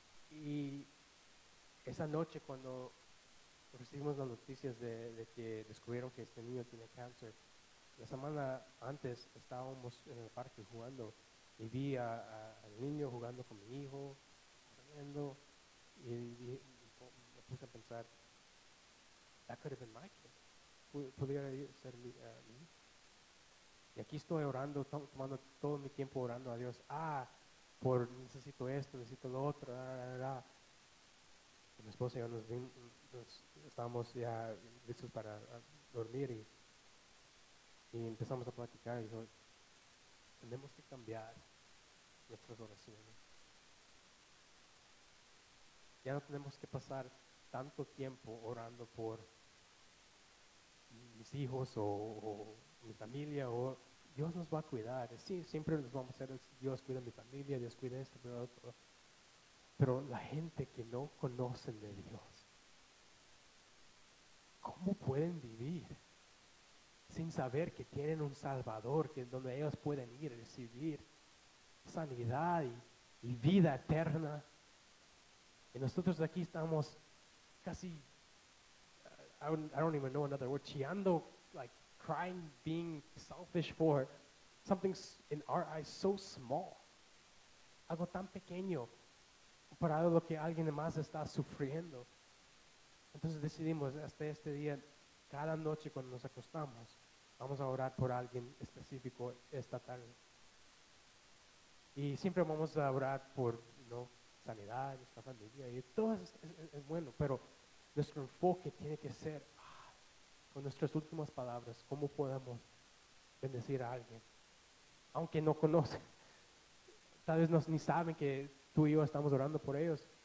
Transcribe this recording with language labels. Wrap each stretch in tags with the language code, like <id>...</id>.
<es>Y esa noche cuando recibimos las noticias de que descubrieron que este niño tiene cáncer, la semana antes estábamos en el parque jugando y vi al niño jugando con mi hijo. Y me puse a pensar,</es> <en>that could have been my kid.</en> <es>Pudiera ser mi. Y aquí estoy orando, tomando todo mi tiempo orando a Dios. Por necesito esto, necesito lo otro. Y mi esposa y yo nos estábamos ya listos para dormir y empezamos a platicar. Y dijo, tenemos que cambiar nuestras oraciones. Ya no tenemos que pasar tanto tiempo orando por mis hijos o mi familia. O Dios nos va a cuidar. Sí, siempre nos vamos a hacer, Dios cuida a mi familia, Dios cuida esto, cuida otro. Pero la gente que no conoce de Dios, ¿cómo pueden vivir sin saber que tienen un Salvador, que es donde ellos pueden ir a recibir sanidad y vida eterna? Y nosotros aquí estamos casi,</es> <en>I don't even know another word, chiando, like crying, being selfish for something in our eyes so small.</en> <es>Algo tan pequeño para lo que alguien más está sufriendo. Entonces decidimos hasta este día, cada noche cuando nos acostamos, vamos a orar por alguien específico esta tarde. Y siempre vamos a orar por, ¿no?, sanidad, nuestra familia, y todo es bueno, pero nuestro enfoque tiene que ser, con nuestras últimas palabras, cómo podemos bendecir a alguien, aunque no conoce, tal vez ni saben que tú y yo estamos orando por ellos.</es>